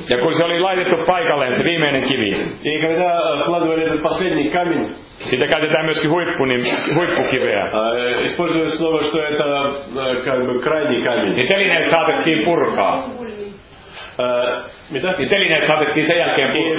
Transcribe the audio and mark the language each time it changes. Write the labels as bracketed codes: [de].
[fi] Ja kun se oli laitettu paikalleen, se viimeinen kivi. [ru] И когда складывали этот последний камень, [fi] siitä käytetään myöskin huippukiveä. [ru] Используя слово, что это как бы крайний камень. [fi] Niin telineet saatettiin purkaa. Mitä? Niin telineet saatettiin sen jälkeen purkaa.